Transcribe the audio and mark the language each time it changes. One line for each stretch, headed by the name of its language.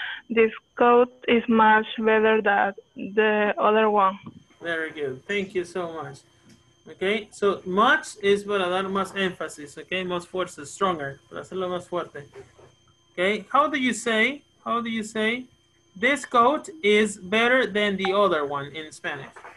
English: This coat is much better than the other one. Very good. Thank you so much. Okay, so much is
Spanish: para dar más énfasis. Okay, más fuerza, stronger. Para hacerlo más fuerte.
English: Okay, how do you say this coat is better than the other one in Spanish?